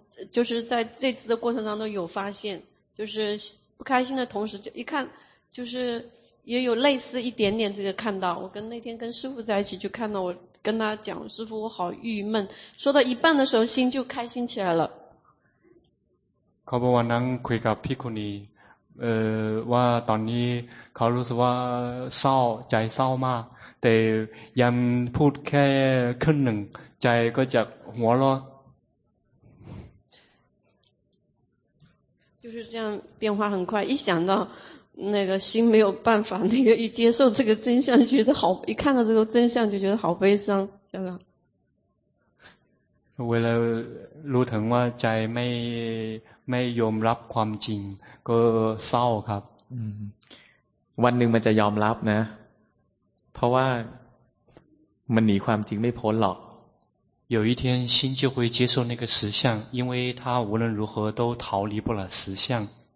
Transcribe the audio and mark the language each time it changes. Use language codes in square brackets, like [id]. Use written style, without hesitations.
[zh] 就是在这次的过程当中有发现，就是不开心的同时，就一看，就是也有类似一点点这个看到。我跟那天跟师父在一起，就看到我跟他讲，师父我好郁闷。说到一半的时候，心就开心起来了。 [th] ขอบวันนั้นคุยกับพี่คุณีว่าตอนนี้เขารู้สึกว่าเศร้าใจเศร้ามากแต่ยังพูดแค่ครึ่งหนึ่งใจก็จะหัวเราะ [zh] 就是这样变化很快，一想到那个心没有办法，那个一接受这个真相，觉得好，一看到这个真相就觉得好悲伤，这样。 [th] เวลารู้ถึงว่าใจไม่ยอมรับความจริงก็เศร้าครับ วันหนึ่งมันจะยอมรับนะเพราะว่ามันหนีความจริงไม่พ้นหรอก [zh] 有一天心就会接受那个实相因为他无论如何都逃离不了实相